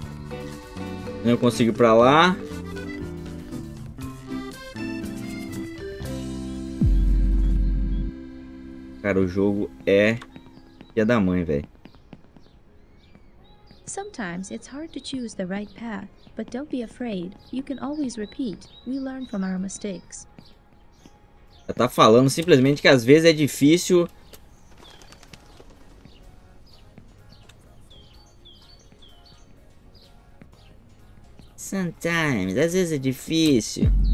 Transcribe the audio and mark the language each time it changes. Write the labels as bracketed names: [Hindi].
[Portuguese] Ai. Não consigo ir pra lá. Cara, o jogo é filha da mãe, velho. [English] Sometimes it's hard to choose the right path, but don't be afraid. You can always repeat. We learn from our mistakes. [Portuguese] Ela tá falando simplesmente que às vezes é difícil. [English] Sometimes, [Portuguese] às vezes é difícil.